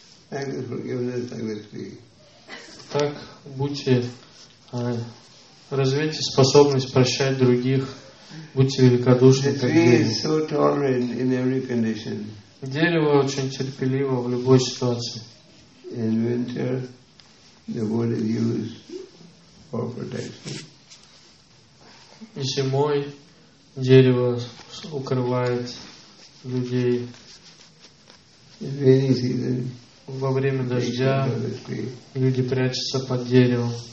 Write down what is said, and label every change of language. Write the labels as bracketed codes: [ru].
[ru] Так будьте. Развейте способность прощать других. Будьте великодушны, как дерево. So дерево очень терпеливо в любой ситуации. [en] In winter, the wood is used for protection. [ru] И зимой дерево укрывает людей. [en] In rainy season, [ru] во время дождя люди прячутся под деревом.